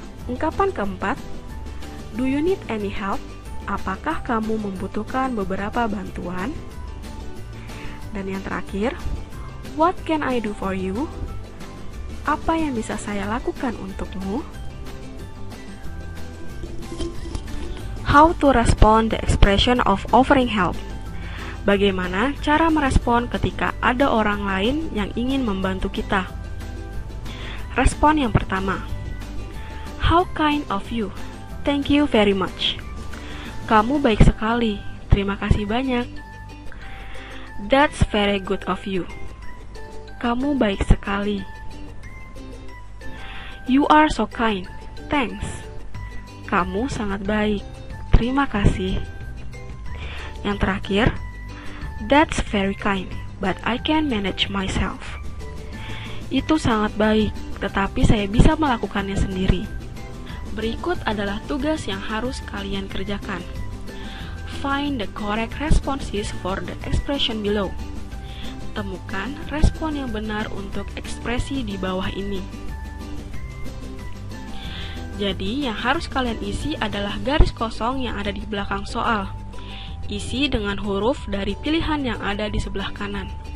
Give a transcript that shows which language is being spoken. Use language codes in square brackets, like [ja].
[id] Ungkapan keempat, [en] do you need any help? [id] Apakah kamu membutuhkan beberapa bantuan? Dan yang terakhir, [en] what can I do for you? [id] Apa yang bisa saya lakukan untukmu? [en] How to respond the expression of offering help? [id] Bagaimana cara merespon ketika ada orang lain yang ingin membantu kita? Respon yang pertama, [en] how kind of you. Thank you very much. [id] Kamu baik sekali. Terima kasih banyak. [en] That's very good of you. [id] Kamu baik sekali. [en] You are so kind. Thanks. [id] Kamu sangat baik. Terima kasih. Yang terakhir, [en] that's very kind, but I can manage myself. [id] Itu sangat baik, tetapi saya bisa melakukannya sendiri. Berikut adalah tugas yang harus kalian kerjakan. [en] Find the correct responses for the expression below. [id] Temukan respon yang benar untuk ekspresi di bawah ini. Jadi, yang harus kalian isi adalah garis kosong yang ada di belakang soal. Isi dengan huruf dari pilihan yang ada di sebelah kanan.